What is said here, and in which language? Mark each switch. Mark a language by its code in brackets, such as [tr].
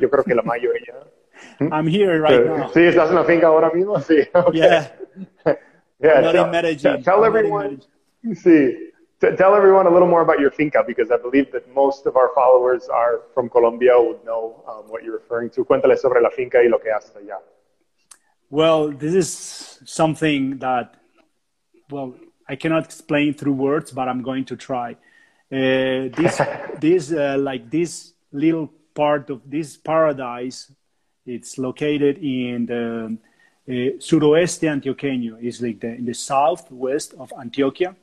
[es] Yo creo que la mayoría. [en] I'm here right now. [es] Sí, estás en la finca ahora mismo. Sí. Okay. [en] Yeah. Yeah. Not in Medellín. Tell everyone. Sí. Tell everyone a little more about your finca, because I believe that most of our followers are from Colombia, would know what you're referring to. [es] Cuéntale sobre la finca y lo que haces allá. [en] Well, this is something that, well, I cannot explain through words, but I'm going to try. This, this like this little part of this paradise, it's located in the suroeste antioqueño, is like the, in the southwest of Antioquia.